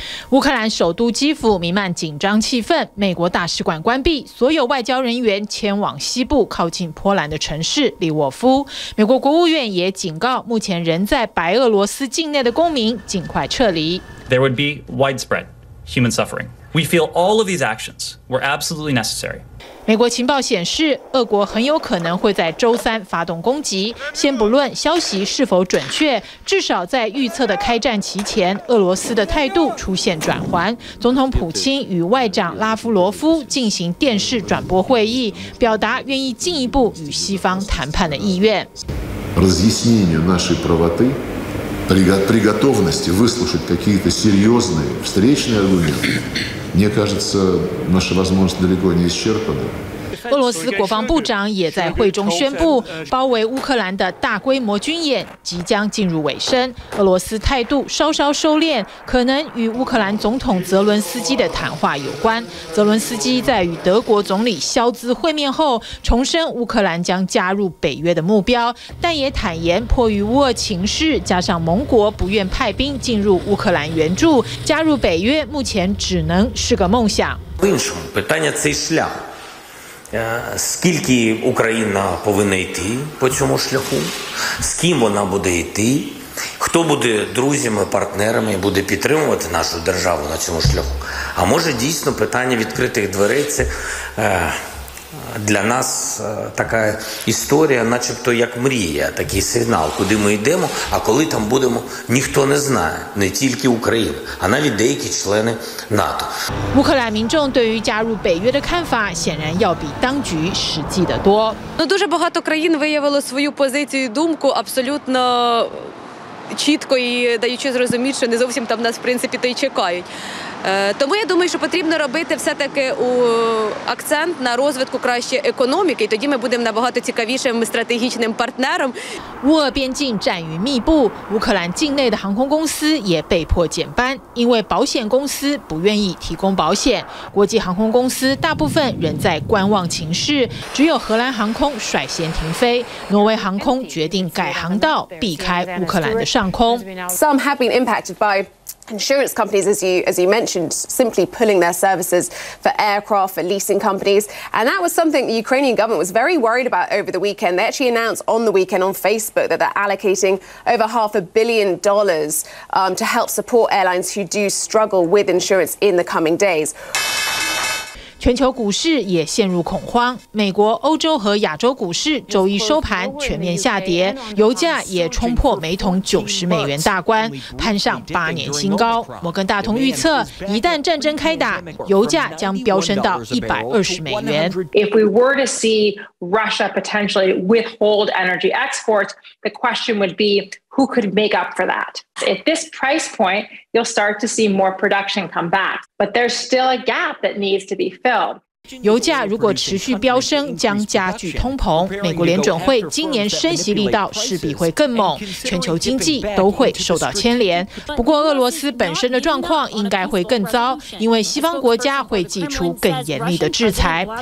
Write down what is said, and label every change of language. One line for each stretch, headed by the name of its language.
Chinese: 乌克兰首都基辅弥漫紧张气氛，美国大使馆关闭，所有外交人员迁往西部靠近波兰的城市利沃夫。美国国务院也警告，目前仍在白俄罗斯境内的公民尽快撤离。
English: There would be widespread human suffering. We feel all of these actions were absolutely necessary.
Chinese: 美国情报显示，俄国很有可能会在周三发动攻击。先不论消息是否准确，至少在预测的开战期前，俄罗斯的态度出现转圜。总统普京与外长拉夫罗夫进行电视转播会议，表达愿意进一步与西方谈判的意愿。
Russian: Разъяснение нашей правоты, приготовности выслушать какие-то серьезные встречные аргументы.
Chinese: 俄罗斯国防部长也在会中宣布，包围乌克兰的大规模军演即将进入尾声。俄罗斯态度稍稍收敛，可能与乌克兰总统泽伦斯基的谈话有关。泽伦斯基在与德国总理肖兹会面后，重申乌克兰将加入北约的目标，但也坦言，迫于乌俄情势，加上盟国不愿派兵进入乌克兰援助，加入北约目前只能是个梦想。
Ukrainian: Скільки Україна повинна йти по цьому шляху? З ким вона буде йти? Хто буде друзями, партнерами, буде підтримувати нашу державу на цьому шляху? А може дійсно питання відкритих дверей – це для нас така історія, начебто як мрія, такий сигнал, куди ми йдемо, а коли там будемо, ніхто не знає, не тільки Україна, а навіть деякі члени НАТО.
Chinese: 乌克兰民众对于加入北约的看法显然要比当局实际的多。
Ukrainian: Дуже багато країн виявило свою позицію і думку абсолютно чітко і даючи зрозуміти, що не зовсім там нас в принципі то й чекають. Тому я думаю, що потрібно робити все-таки акцент на розвитку краще економіки, і тоді ми будемо набагато цікавішим стратегічним партнером.
Chinese: 乌俄边境战于密布，乌克兰境内的航空公司也被迫减班，因为保险公司不愿意提供保险。国际航空公司大部分仍在观望情势，只有荷兰航空率先停飞，挪威航空决定改航道，避开乌克兰的上空。
English: Some have been impacted by. Insurance companies, as you mentioned, simply pulling their services for aircraft, for leasing companies. And that was something the Ukrainian government was very worried about over the weekend. They actually announced on the weekend on Facebook that they're allocating over $500 million, to help support airlines who do struggle with insurance in the coming days.
Chinese: 全球股市也陷入恐慌，美国、欧洲和亚洲股市周一收盘全面下跌，油价也冲破每桶90美元大关，攀上8年新高。摩根大通预测，一旦战争开打，油价将飙升到120美元。
English: If we were to see Russia potentially withhold energy exports, the question would be who could make up for that? At this price point, you'll start to see more production come back.But there's still a gap that needs to be filled.
Chinese: 油价如果持续飙升，将加剧通膨。美国联准会今年升息力道势必会更猛，全球经济都会受到牵连。不过，俄罗斯本身的状况应该会更糟，因为西方国家会祭出更严厉的制裁。